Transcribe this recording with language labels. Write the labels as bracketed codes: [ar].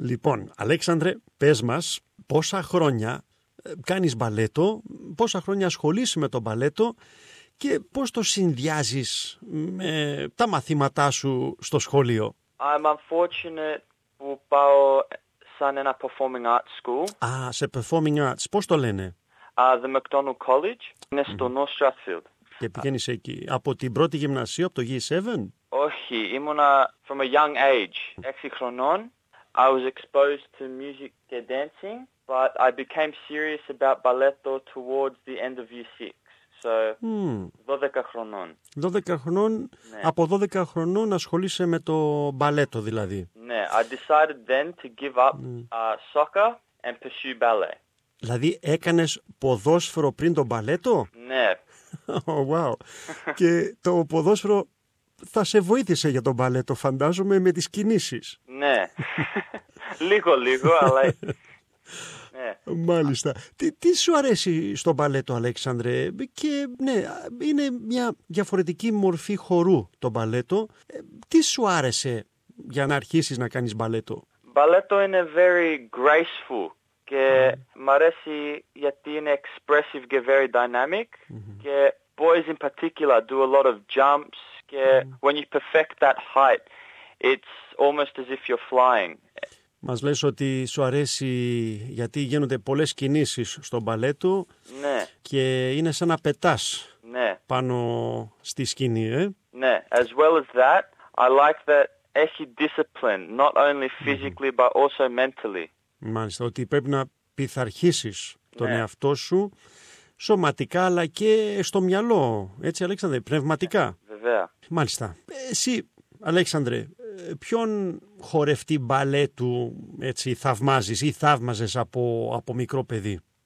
[el] Λοιπόν, Αλέξανδρε, πες μας πόσα χρόνια κάνεις μπαλέτο, πόσα χρόνια ασχολείσαι με τον μπαλέτο και πώς το συνδυάζεις με τα μαθήματά σου στο σχολείο. [en] I'm unfortunate [el] που πάω σαν ένα [en] performing arts school. [el] Α, σε performing arts, πώς το λένε. The McDonald College, είναι στο North Strathfield. Και πηγαίνεις εκεί, από την πρώτη γυμνασία, από το G7. Όχι, ήμουνα [en] from a young age, 6 [el] χρονών. [en] I was exposed to music and dancing, but I became serious about balletto towards the end of year 6. [el] So, 12 χρονών. 12 χρονών, ναι. Από 12 χρονών ασχολείσαι με το μπαλέτο δηλαδή. Ναι, [en] I decided then to give up soccer and pursue ballet. [el] Δηλαδή έκανες ποδόσφαιρο πριν το μπαλέτο? Ναι. [en] Oh, wow. [el] Και το ποδόσφαιρο θα σε βοήθησε για τον μπαλέτο, φαντάζομαι, με τις κινήσεις. Ναι. Λίγο-λίγο, αλλά... ναι. Μάλιστα. Τι σου αρέσει στο μπαλέτο, Αλέξανδρε? Και ναι, είναι μια διαφορετική μορφή χορού το μπαλέτο. Τι σου άρεσε για να αρχίσεις να κάνεις μπαλέτο? Μπαλέτο είναι [en] very graceful [el] και μ' αρέσει γιατί είναι [en] expressive [el] και [en] very dynamic. [el] Και [en] boys in particular do a lot of jumps. [el] Και [en] when you perfect that height, it's almost as if you're flying. [el] Μας λες ότι σου αρέσει γιατί γίνονται πολλές κινήσεις στο μπαλέτο. Ναι. Και είναι σαν να πετάς. Ναι. Πάνω στη σκηνή, ε? Ναι. [en] As well as that, I like that [el] έχει [en] discipline, not only physically but also mentally. [el] Μάλιστα, ότι πρέπει να πειθαρχήσεις τον εαυτό σου σωματικά αλλά και στο μυαλό. Έτσι, Αλέξανδρε, πνευματικά. Μάλιστα. Εσύ, Αλέξανδρε, ποιον χορευτή μπαλέτου έτσι θαυμάζεις ή θαύμαζες από μικρό παιδί?